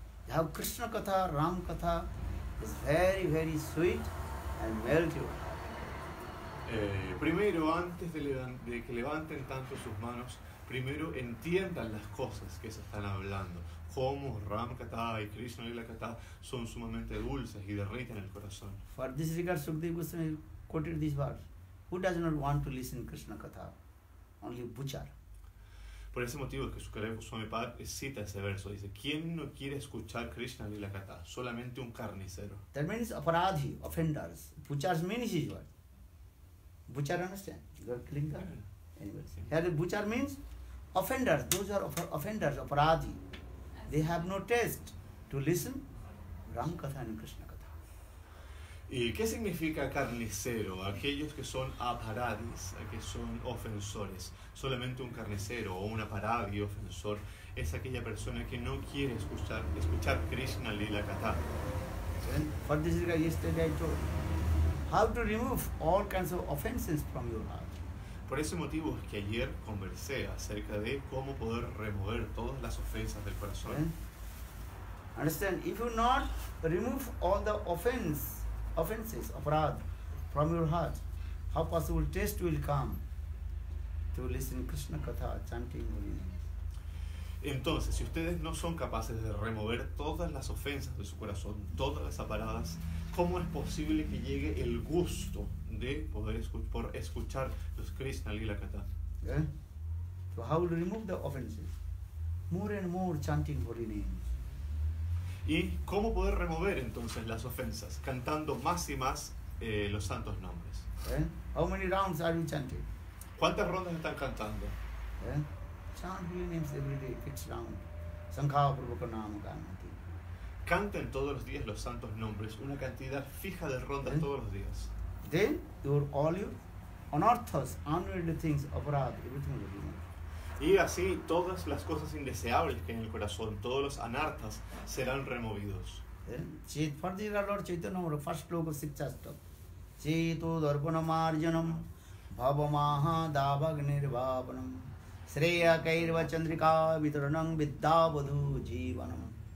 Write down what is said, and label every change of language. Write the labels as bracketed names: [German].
[English] You have Krishna katha, Ram katha is very very sweet and melt your heart. [Spanish] Primero, antes de que levanten tanto sus manos, primero entiendan las cosas que se están hablando, cómo Ram Katha y Krishna Lila Katha son sumamente dulces y derriten el corazón. [English] For this regard, Sukadeva Goswami quoted this verse. Who does not want to listen Krishna Katha? Only Buchar. [Spanish] Por ese motivo es que Sukadeva Goswami Pada cita ese verso, dice: ¿quién no quiere escuchar Krishna Lila Katha? Solamente un carnicero. [English] That means aparadhi, offenders, puchas means is what? Puchar, understand? You are killing them. Anyway, here puchar means offenders, those are offenders, aparadhi. They have no taste to listen Ram Katha and Krishna Katha. [Spanish] ¿Y qué significa carnicero? Aquellos que son aparadis, que son ofensores. Solamente un carnicero o un aparadi ofensor es aquella persona que no quiere escuchar Krishna Lila Katha. [English] For this reason, yesterday I told how to remove all kinds of offenses from your heart. [Spanish] Por ese motivo es que ayer conversé acerca de cómo poder remover todas las ofensas del corazón. [English] Understand? If you not remove all the offenses, aparad, from your heart, how possible taste will come to listen Krishna Katha chanting Hari Nam? [Spanish] Entonces, si ustedes no son capaces de remover todas las ofensas de su corazón, todas las aparadas, ¿cómo es posible que llegue el gusto de poder escuchar los Krishna Lila Katha? [English] So how will remove the offenses? More and more chanting Hari Nam. [Spanish] ¿Y cómo poder remover entonces las ofensas? Cantando más y más los santos nombres. [English] How many rounds are you chanting? [Spanish] ¿Cuántas rondas están cantando? [English] Chant Hari Nam every day, fixed round. [Sanskrit] Sankhava Purvaka Nama Gayanti. [Spanish] Canten todos los días los santos nombres, una cantidad fija de rondas todos los días. [English] Then your all your unorthodox, unrelated things, aparad, everything will be removed. [Spanish] Y así todas las cosas indeseables que hay en el corazón, todos los anarthas, serán removidos. [English] For this Lord Chaitanya Mahaprabhu, first loka sikshastok. [Sanskrit] Chito darpana marjanam, bhava maha dabag nirvapanam, shreya kairva chandrika vitranam vidyavadhu jivanam.